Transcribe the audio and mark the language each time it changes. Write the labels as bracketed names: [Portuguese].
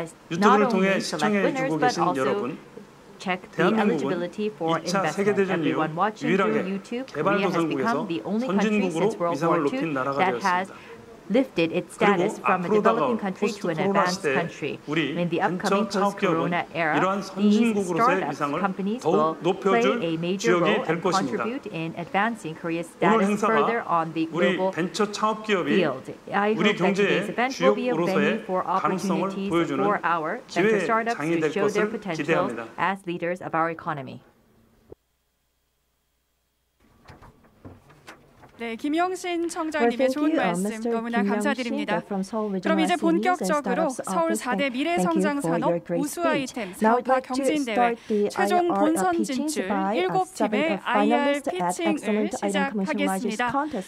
[Korean] 유튜브를 통해 시청해주고 계신 여러분, 대한민국은 2차 세계대전 이후 유일하게 개발도상국에서 선진국으로 위상을 높인 나라가 되었습니다. [English] Lifted its status from a developing country to an advanced country. In the upcoming post-corona era, these companies will play a major role and contribute in advancing Korea's status further on the global field. I hope that today's event will be a venue for opportunities for our venture startups to show their potential as leaders of our economy. [Korean] 네, 김영신 청장님의 좋은 말씀 너무나 감사드립니다. 그럼 이제 본격적으로 서울 4대 미래 성장 산업 우수 아이템 사업화 경진 대회 최종 본선 진출 7팀의 IR 피칭을 시작하겠습니다.